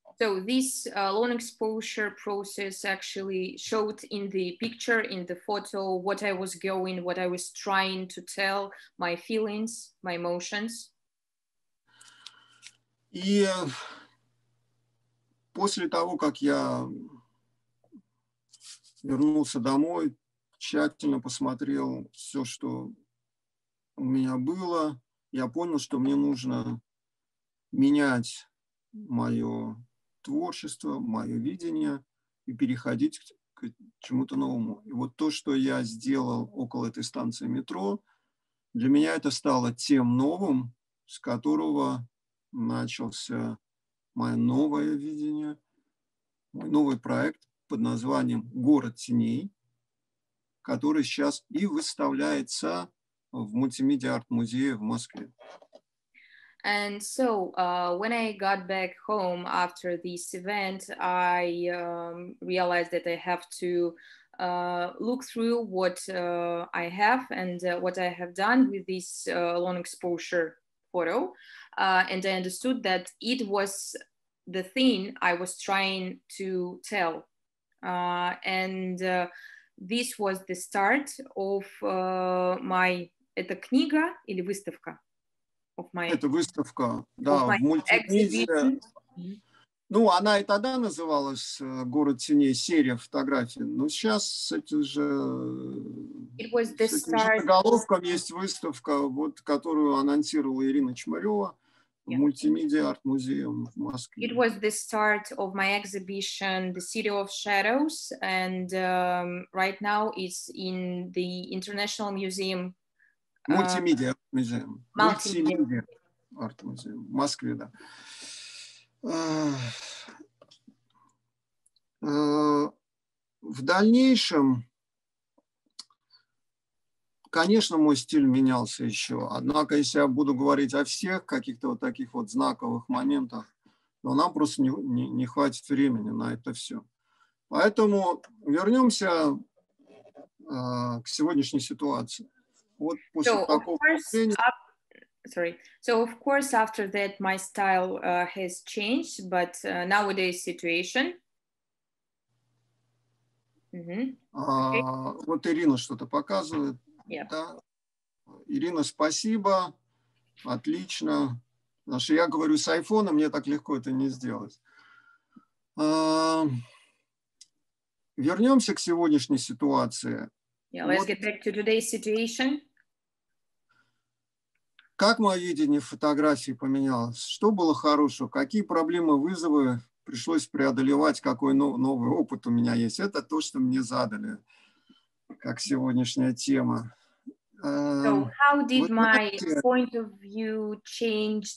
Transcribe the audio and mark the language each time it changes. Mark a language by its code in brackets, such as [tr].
[en] So this long exposure process actually showed in the picture, in the photo, what I was going, what I was trying to tell, my feelings, my emotions. [ru] И после того, как я вернулся домой, тщательно посмотрел все, что у меня было, я понял, что мне нужно менять мое творчество, мое видение и переходить к чему-то новому. И вот то, что я сделал около этой станции метро, для меня это стало тем новым, с которого начался мое новое видение, мой новый проект под названием «Город теней», который сейчас и выставляется в мультимедиа-арт-музее в Москве. [en] And so, when I got back home after this event, I realized that I have to look through what I have and what I have done with this long exposure photo. And I understood that it was the thing I was trying to tell. And this was the start of my... [ru] Это книга или выставка? Это выставка, да, в мультимедиа. Ну, она и тогда называлась «Город теней», серия фотографий. Но сейчас с этим же, с этим же заголовком есть выставка, вот, которую анонсировала Ирина Чмарева. [en] Yeah. Multimedia Art Museum [ru] в Москве. [en] It was the start of my exhibition, The City of Shadows, and right now it's in the International Museum. [ru] Multимедиа Арт Музеем. Multimedia Art Museum в Москве, да. В дальнейшем, конечно, мой стиль менялся еще. Однако, если я буду говорить о всех каких-то вот таких вот знаковых моментах, то нам просто не хватит времени на это все. Поэтому вернемся к сегодняшней ситуации. Вот после [en] So, of course, after that, my style has changed, but nowadays situation. Okay. [ru] Вот Ирина что-то показывает. [en] Yeah. [ru] Да. Ирина, спасибо. Отлично. Потому что я говорю с айфона, мне так легко это не сделать. Вернемся к сегодняшней ситуации. [en] Yeah, let's get back to today's situation. [ru] Как мое видение фотографии поменялось? Что было хорошего? Какие проблемы, вызовы пришлось преодолевать? Какой новый опыт у меня есть? Это то, что мне задали, как сегодняшняя тема. [en] So how did my point of view change?